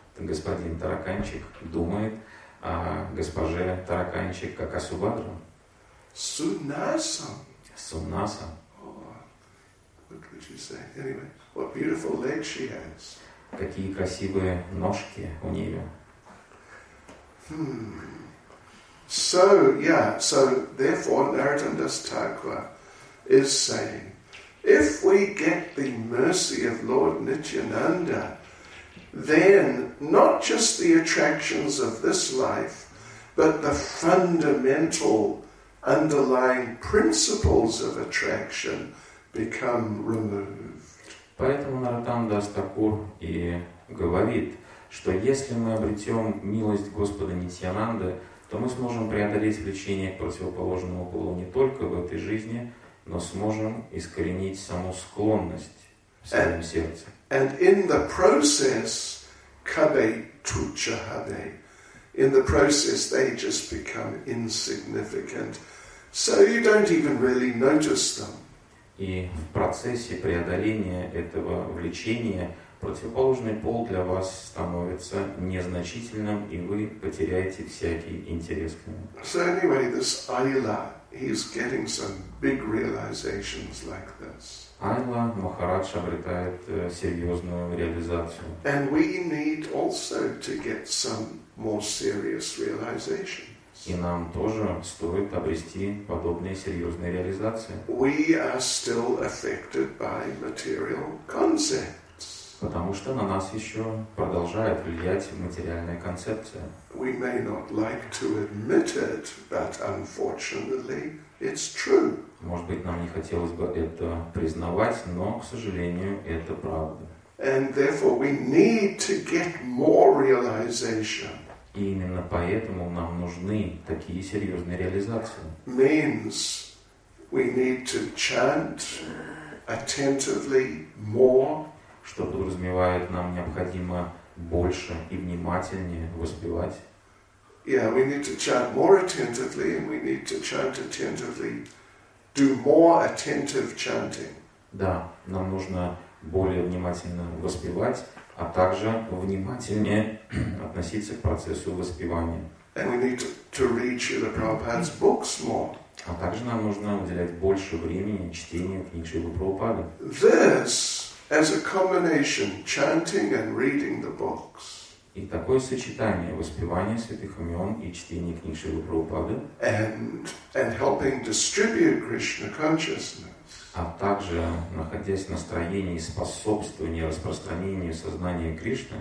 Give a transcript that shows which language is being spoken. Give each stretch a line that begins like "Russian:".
Russian: Господин Тараканчик думает о госпоже Тараканчик как о Субхадрам. Суннасам. Суннасам.
English: What would you say? Anyway, what beautiful legs she has.
Russian: Какие красивые ножки у нее.
English: So, yeah, so therefore Narottam Thakura is saying, if we get the mercy of Lord Nityananda, then not just the attractions of this life, but the fundamental underlying principles of attraction become removed.
Russian: Поэтому Нараттам Дас Такур и говорит, что если мы обретем милость Господа Нитьянанды, то мы сможем преодолеть влечение к противоположному полу не только в этой жизни, но сможем искоренить саму склонность в своем сердце.
English: And in the process,
Bangla: kabe tucha habe.
English: In the process, they just become insignificant. So you don't even really notice them.
Russian: И в процессе преодоления этого влечения противоположный пол для вас становится незначительным, и вы потеряете всякий интерес к нему.
English: So anyway, this Ayla, he's getting some big realizations like this.
Russian: Айла Махарадж обретает серьезную реализацию.
English: And we need also to get some more serious realizations.
Russian: И нам тоже стоит обрести подобные серьезные реализации.
English: We are still affected by material concepts.
Russian: Потому что на нас еще продолжает влиять материальная концепция.
English: We may not like to admit it, but unfortunately, it's true.
Russian: Может быть, нам не хотелось бы это признавать, но, к сожалению, это правда.
English: And therefore we need to get more realization.
Russian: И именно поэтому нам нужны такие серьезные реализации.
English: Means we need to chant attentively more.
Russian: Что подразумевает, нам необходимо больше и внимательнее воспевать.
English: Yeah, we need to chant more attentively, and we need to chant attentively. Do more attentive chanting.
Russian: Да, нам нужно более внимательно воспевать, а также внимательнее относиться к процессу воспевания.
English: And we need to read Srila Prabhupada's books more.
Russian: А также нам нужно уделять больше времени чтению книг Шрилы Прабхупады.
English: This as a combination, chanting and reading the books.
Russian: И такое сочетание воспевания святых имен и чтения книг Шрилы Прабхупады,
English: and helping distribute Krishna consciousness,
Russian: а также находясь в настроении способствования распространению сознания Кришны,